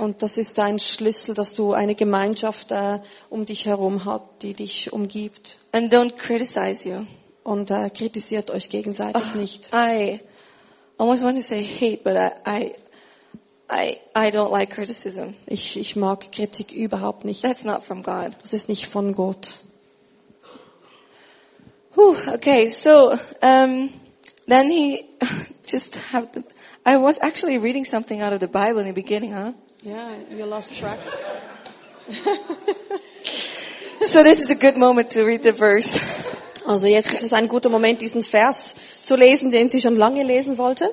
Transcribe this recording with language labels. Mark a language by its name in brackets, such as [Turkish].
[German] Und das ist ein Schlüssel, dass du eine Gemeinschaft um dich herum hast, die dich umgibt. [English] And don't criticize you. [German] Und kritisiert euch gegenseitig nicht. [English] I almost want to say hate, but I don't like criticism. [German] Ich mag Kritik überhaupt nicht. [English] That's not from God. [German] Das ist nicht von Gott. [English] Whew, okay, so then he just have the. I was actually reading something out of the Bible in the beginning, huh? Yeah, you lost track. So this is a good moment to read the verse. [German] Also jetzt ist es ein guter Moment, diesen Vers zu lesen, den sie schon lange lesen wollte.